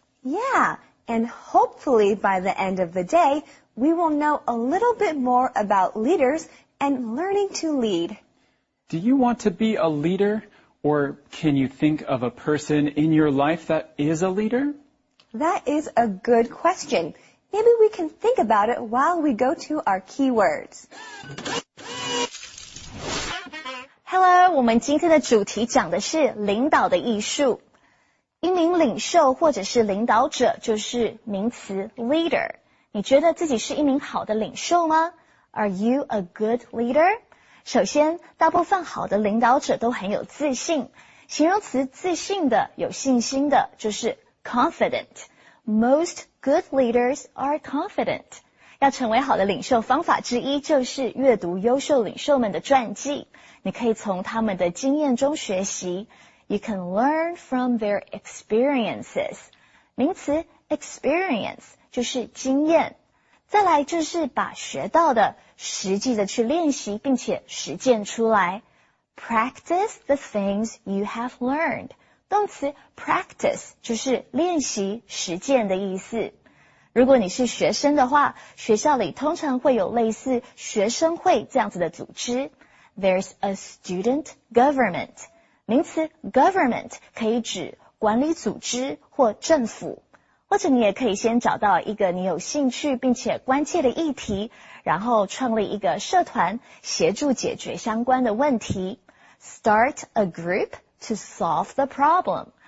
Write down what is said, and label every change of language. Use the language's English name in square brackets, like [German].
[English] Yeah, and hopefully by the end of the day, we will know a little bit more about leaders and learning to lead. Do you want to be a leader, or can you think of a person in your life that is a leader? That is a good question. Maybe we can think about it while we go to our keywords. [Chinese] Hello, 我们今天的主题讲的是领导的艺术。一名领袖或者是领导者就是名词 leader。你觉得自己是一名好的领袖吗？ [English] Are you a good leader? [Chinese] 首先，大部分好的领导者都很有自信。形容词自信的、有信心的就是Confident. [English] Most good leaders are confident. [Chinese] 要成为好的领袖方法之一就是阅读优秀领袖们的传记。你可以从他们的经验中学习。 [English] You can learn from their experiences. [Chinese] 名词 experience 就是经验。再来就是把学到的实际的去练习并且实践出来。 [English] Practice the things you have learned. [Chinese] 动词 practice 就是练习实践的意思。如果你是学生的话，学校里通常会有类似学生会这样子的组织。 [English] There's a student government. [Chinese] 名词 government 可以指管理组织或政府。或者你也可以先找到一个你有兴趣并且关切的议题，然后创立一个社团，协助解决相关的问题。 [English] Start a group. To solve the problem.